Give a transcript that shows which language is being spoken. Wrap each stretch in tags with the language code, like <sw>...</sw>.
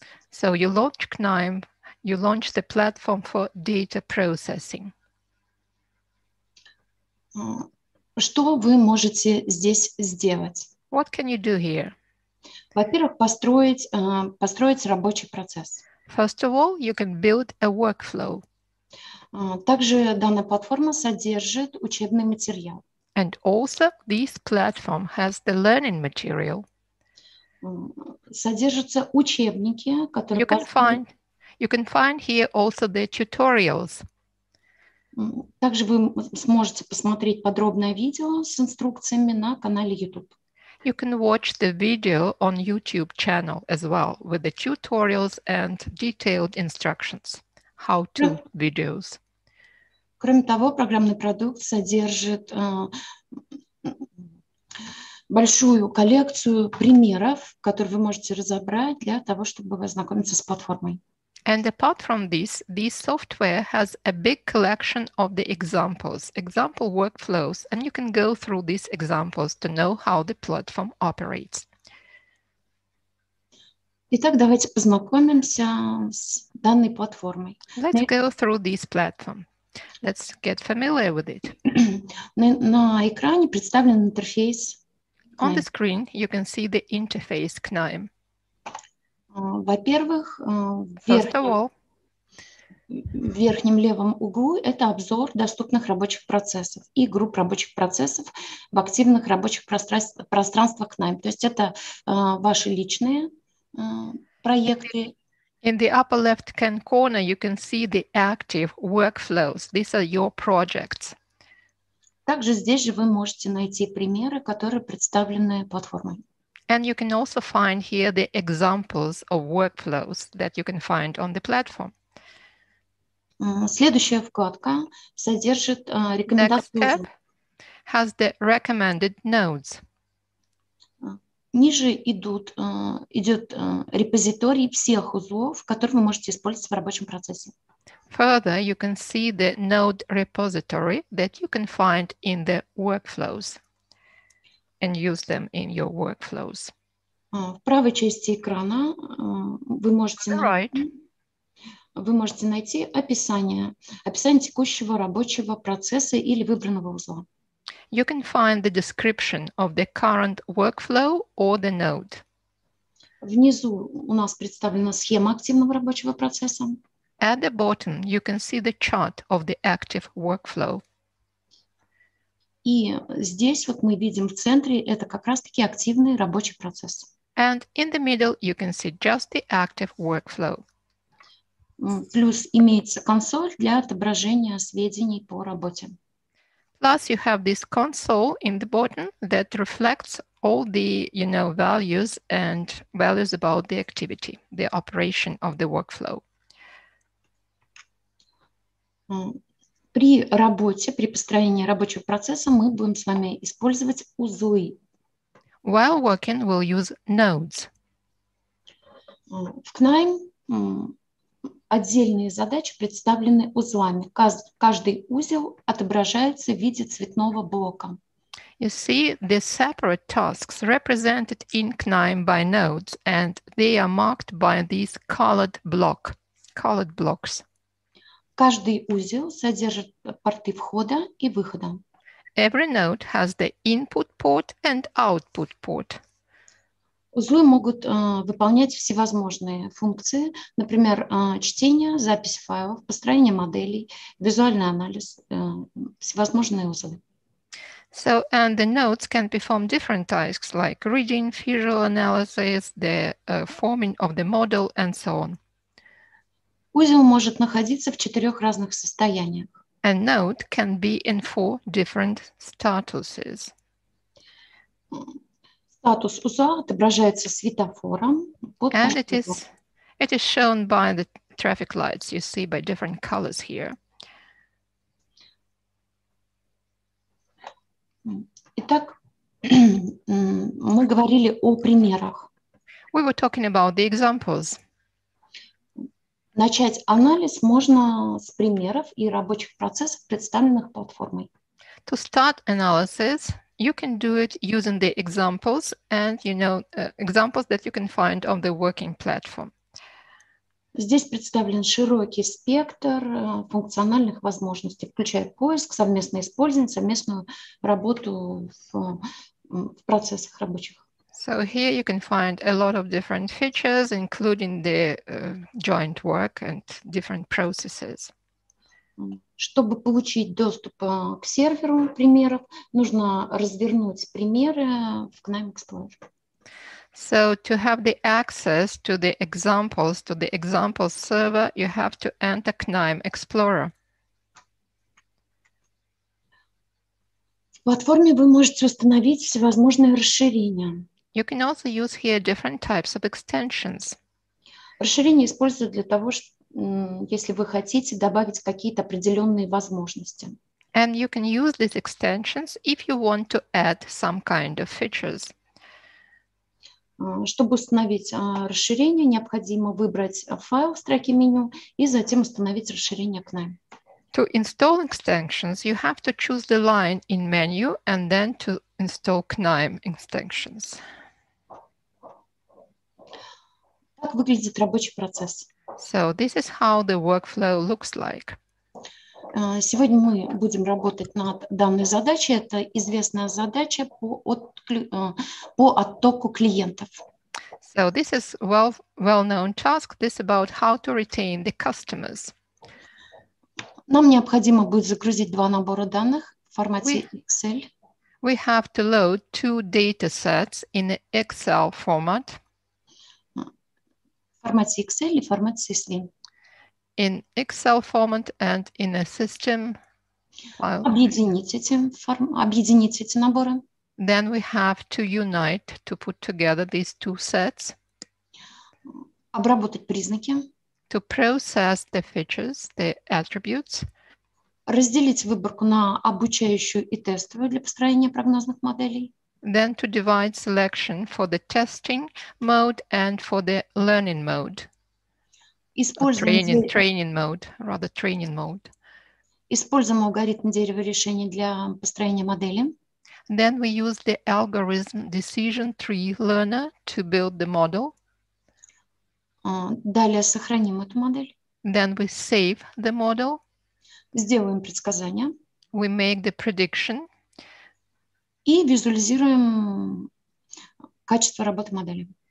<en>So you launch KNIME, you launch the platform for data processing.</en> <ru>Что вы можете здесь сделать?</ru> <en>What can you do here?</en> <ru>Во-первых, построить рабочий процесс.</ru> <en>First of all, you can build a workflow.</en> <ru>Также данная платформа содержит учебный материал.</ru> <en>And also this platform has the learning material.</en> <ru>Содержатся учебники, которые...</ru> <en>You can find here also the tutorials.</en> <ru>Также вы сможете посмотреть подробное видео с инструкциями на канале YouTube.</ru> <en>You can watch the video on YouTube channel as well with the tutorials and detailed instructions, how-to videos.</en> <ru>Кроме того, программный продукт содержит большую коллекцию примеров, которые вы можете разобрать для того, чтобы ознакомиться с платформой.</ru> <en>And apart from this, this software has a big collection of the examples, example workflows, and you can go through these examples to know how the platform operates.</en> <ru>Итак, давайте познакомимся с данной платформой.</ru> <en>Let's go through this platform. Let's get familiar with it.</en> <ru>На экране представлен интерфейс.</ru> <en>On the screen, you can see the interface KNIME.</en> <ru>Во-первых, в верхнем левом углу это обзор доступных рабочих процессов и групп рабочих процессов в активных рабочих пространствах KNIME. То есть это ваши личные проекты.</ru> <en>In the upper left hand corner, you can see the active workflows. These are your projects.</en> <ru>Также здесь же вы можете найти примеры, которые представлены платформой.</ru> <en>And you can also find here the examples of workflows that you can find on the platform.</en> <ru>Следующая вкладка содержит рекомендации.</ru> <en>Next tab has the recommended nodes.</en> <ru>Ниже идет репозиторий всех узлов, которые вы можете использовать в рабочем процессе.</ru> <en>Further, you can see the node repository that you can find in the workflows and use them in your workflows.</en> <ru>В правой части экрана вы можете найти описание текущего рабочего процесса или выбранного узла.</ru> <en>You can find the description of the current workflow or the node.</en> <ru>Внизу у нас представлена схема активного рабочего процесса.</ru> <en>At the bottom, you can see the chart of the active workflow.</en> <ru>И здесь вот мы видим в центре, это как раз-таки активный рабочий процесс.</ru> <en>And in the middle, you can see just the active workflow.</en> <ru>Плюс имеется консоль для отображения сведений по работе.</ru> <en>Plus you have this console in the bottom that reflects all the, you know, values and values about the activity, the operation of the workflow.</en> <ru>При работе, при построении рабочего процесса мы будем с вами использовать узлы.</ru> <en>While working, we'll use nodes.</en> <ru>В KNIME отдельные задачи представлены узлами. Каждый узел отображается в виде цветного блока.</ru> <en>You see the separate tasks represented in KNIME by nodes, and they are marked by these colored blocks.</en> <ru>Каждый узел содержит порты входа и выхода.</ru> <en>Every node has the input port and output port.</en> <ru>Узлы могут выполнять всевозможные функции, например, чтение, запись файлов, построение моделей, визуальный анализ, всевозможные узлы.</ru> <en>So, and the nodes can perform different tasks, like reading, visual analysis, the forming of the model, and so on.</en> <ru>Узел может находиться в четырех разных состояниях.</ru> <en>A node can be in four different statuses.</en> <ru>Статус узла отображается светофором.</ru> <en>And it is shown by the traffic lights, you see, by different colors here.</en> <ru>Итак, мы говорили о примерах.</ru> <en>We were talking about the examples.</en> <ru>Начать анализ можно с примеров и рабочих процессов, представленных платформой.</ru> <en>To start analysis, you can do it using the examples and, you know, examples that you can find on the working platform.</en> <ru>Здесь представлен широкий спектр функциональных возможностей, включая поиск, совместное использование, совместную работу в процессах рабочих.</ru> <en>So here you can find a lot of different features, including the joint work and different processes.</en> <ru>Чтобы получить доступ к серверу примеров, нужно развернуть примеры в KNIME Explorer.</ru> <en>So to have the access to the examples, to the example server, you have to enter KNIME Explorer.</en> <ru>В платформе вы можете установить всевозможные расширения.</ru> <en>You can also use here different types of extensions.</en> <ru>Расширение используется для того, если вы хотите добавить какие-то определенные возможности.</ru> <en>And you can use these extensions if you want to add some kind of features.</en> <ru>Чтобы установить расширение, необходимо выбрать файл в строке меню и затем установить расширение окна.</ru> <en>To install extensions, you have to choose the line in menu and then to install KNIME extensions.</en> <ru>Как выглядит рабочий процесс?</ru> <en>So this is how the workflow looks like.</en> <ru>Сегодня мы будем работать над данной задачей. Это известная задача по оттоку клиентов.</ru> <en>So this is well-known task. This about how to retain the customers.</en> <ru>Нам необходимо будет загрузить два набора данных в формате Excel.</ru> <en>We have to load two data sets in Excel format.</en> <ru>В формате Excel и в формате CSV.</ru> <en>In Excel format and in a system file.</en> <ru>Объединить эти наборы.</ru> <en>Then we have to unite to put together these two sets.</en> <ru>Обработать признаки.</ru> <en>To process the features, the attributes.</en> <ru>Разделить выборку на обучающую и тестовую для построения прогнозных моделей.</ru> <en>Then to divide selection for the testing mode and for the learning mode. Training mode.</en> <ru>Используем алгоритм дерева решений для построения модели.</ru> <en>Then we use the algorithm decision tree learner to build the model.</en> <ru>Далее сохраним эту модель.</ru> <en>Then we save the model.</en> <ru>Сделаем предсказание.</ru> <en>We make the prediction.</en> <ru>И визуализируем качество работы модели.</ru>